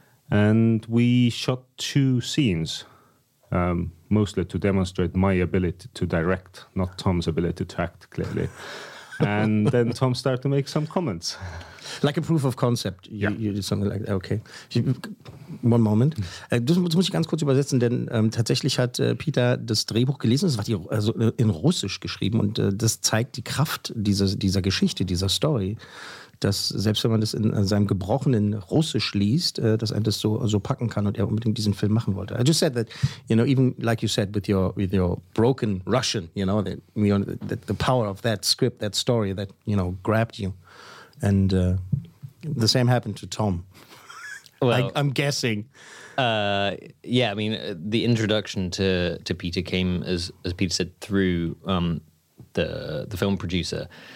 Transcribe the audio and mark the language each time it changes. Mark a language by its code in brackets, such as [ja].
[en] And we shot two scenes, mostly to demonstrate my ability to direct, not Tom's ability to act, clearly. And then Tom started to make some comments. Like a proof of concept. You did something like that. Okay. One moment. [de] Das muss ich ganz kurz übersetzen, denn tatsächlich hat Peter das Drehbuch gelesen. Das war in Russisch geschrieben. Und das zeigt die Kraft dieser Geschichte, dieser Story. Dass selbst wenn man das in seinem gebrochenen Russisch liest, dass er das so packen kann und er unbedingt diesen Film machen wollte. [en] I just said that, you know, even like you said with your broken Russian, the power of that script, that story, that, you know, grabbed you. And the same happened to Tom. Well, I'm guessing. Yeah, I mean, the introduction to Peter came, as Peter said, through the film producer.